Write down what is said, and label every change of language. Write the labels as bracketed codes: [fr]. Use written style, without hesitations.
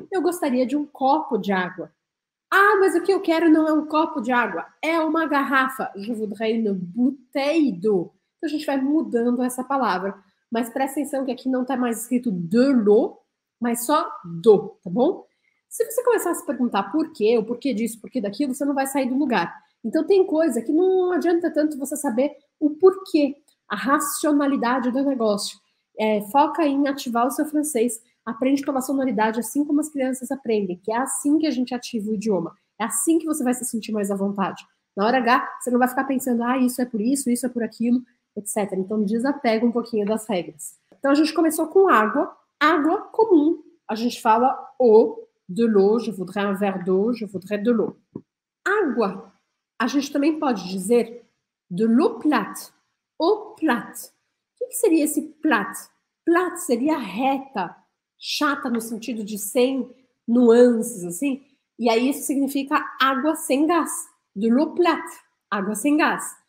[pt] Eu gostaria de um copo de água. Ah, mas o que eu quero não é um copo de água, é uma garrafa. [fr] Je voudrais une bouteille d'eau. [pt] Então a gente vai mudando essa palavra. Mas presta atenção que aqui não está mais escrito de l'eau, mas só d'eau, tá bom? Se você começar a se perguntar por quê, o porquê disso, por que daquilo, você não vai sair do lugar. Então, tem coisa que não adianta tanto você saber o porquê, a racionalidade do negócio. É, foca em ativar o seu francês, aprende pela sonoridade, assim como as crianças aprendem, que é assim que a gente ativa o idioma. É assim que você vai se sentir mais à vontade. Na hora H, você não vai ficar pensando, ah, isso é por aquilo, etc. Então, desapega um pouquinho das regras. Então, a gente começou com água, água comum. A gente fala eau, de l'eau, [fr] je voudrais un verre d'eau, je voudrais de l'eau. [pt] Água. A gente também pode dizer de l'eau plate, eau plate. O que seria esse plate? Plate seria reta, chata no sentido de sem nuances, assim. E aí isso significa água sem gás. De l'eau plate, água sem gás.